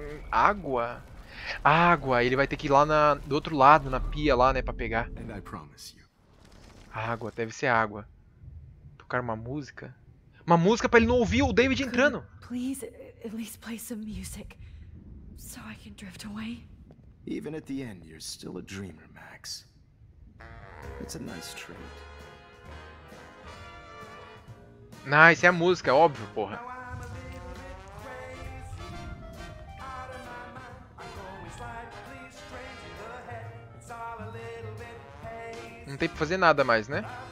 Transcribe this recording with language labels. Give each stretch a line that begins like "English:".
Portuguese: Água? Água, ele vai ter que ir lá do outro lado, na pia lá, né, pra pegar.
English: And I promise you.
Portuguese: Água, deve ser água. Tocar uma música. Uma música pra ele não ouvir o David entrando.
English: Please, at least play some music. So I can drift away. Even at the end, you're still a dreamer, Max. It's a nice trait.
Portuguese: Ah, isso é a música, óbvio, porra. Não tem pra fazer nada mais, né?